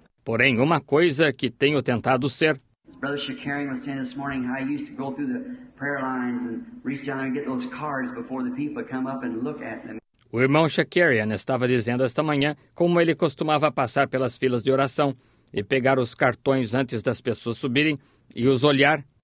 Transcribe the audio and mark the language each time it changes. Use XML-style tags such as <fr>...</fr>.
<pt>porém, uma coisa que tenho tentado ser.</pt> <en>Brother Shakarian was saying this morning how he used to go through the prayer lines and reach down and get those cards before the people come up and look at them.</en> <pt>O irmão Shakarian estava dizendo esta manhã como ele costumava passar pelas filas de oração e pegar os cartões antes das pessoas subirem e os olhar.</pt>